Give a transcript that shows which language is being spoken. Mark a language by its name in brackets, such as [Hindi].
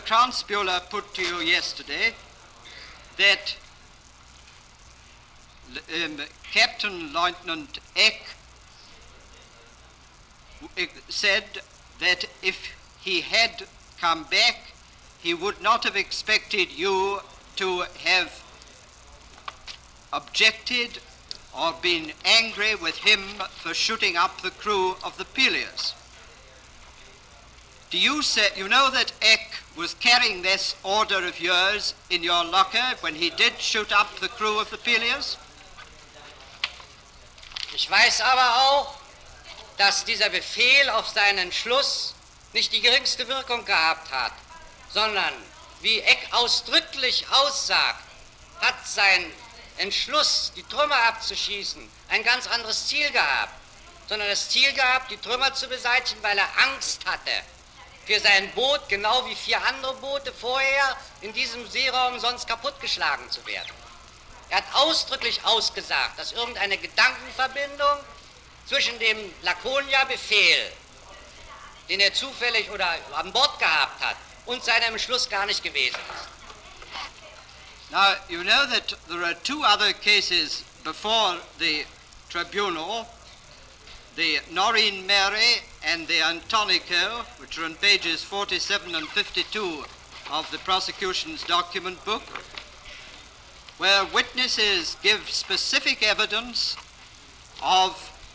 [English] Kranzbühler put to you yesterday that Captain Lieutenant Eck said that if he had come back, he would not have expected you to have objected or been angry with him for shooting up the crew of the Peleus. Do you say, you know that Eck was carrying this order of yours in your locker when he did shoot up the crew of the Peleus? [German] Ich weiß aber auch, dass dieser Befehl auf seinen Schluss nicht die geringste Wirkung gehabt hat, sondern, wie Eck ausdrücklich aussagt, hat sein Entschluss, die Trümmer abzuschießen, ein ganz anderes Ziel gehabt. Sondern das Ziel gehabt, die Trümmer zu beseitigen, weil er Angst hatte für sein Boot, genau wie vier andere Boote vorher, in diesem Seeraum sonst kaputtgeschlagen zu werden. Er hat ausdrücklich ausgesagt, dass irgendeine Gedankenverbindung zwischen dem Laconia-Befehl, den er zufällig oder an Bord gehabt hat, und seinem Schluss gar nicht gewesen ist. [English] Now, you know that there are two other cases before the tribunal, the Noreen Mary and the Antonico, which are on pages 47 and 52 of the prosecution's document book, where witnesses give specific evidence of